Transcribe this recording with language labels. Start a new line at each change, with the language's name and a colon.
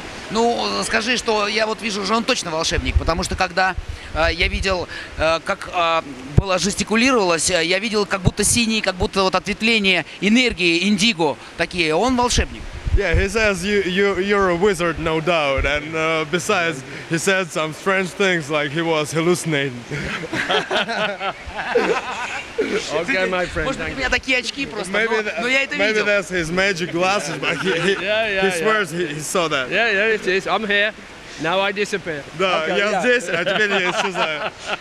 Russian: Ну, скажи, что я вот вижу, что он точно волшебник, потому что когда я видел, как было жестикулировалось, я видел, как будто синие, как будто вот ответвление энергии, индиго такие. Он волшебник.
English: Yeah, he says you're a wizard, no doubt. And besides, he said some strange things, like he was hallucinating. Okay, my friend.
Russian: Может быть, у меня такие очки просто, но я это
English: maybe
Russian: видел.
English: Maybe that's his magic glasses, but he swears he saw that. Yeah, yeah, it is. I'm here. Now I disappear.
Russian: Да, okay, я здесь, а теперь я исчезаю.